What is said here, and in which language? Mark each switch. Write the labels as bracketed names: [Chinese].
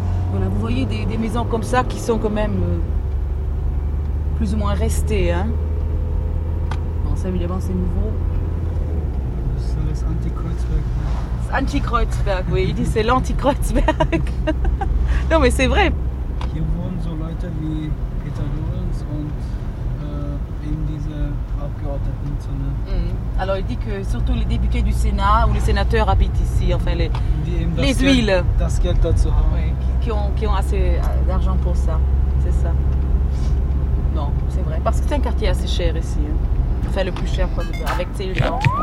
[French] Voilà, vous voyez des maisons comme ça qui sont quand même plus ou moins restées. Hein. Bon, ça, évidemment, c'est nouveau. C'est l'Anti-Kreuzberg. Oui. Il dit c'est l'Anti-Kreuzberg. Non, mais c'est vrai. [German] Hier wohnent so Leute wie Peter Lorenz und [French] Alors il dit que surtout les députés du Sénat ou les sénateurs habitent ici, enfin les huiles qui ont assez d'argent pour ça, c'est ça. Non, c'est vrai, parce que c'est un quartier assez cher ici, hein. Enfin le plus cher quoi, avec ces gens.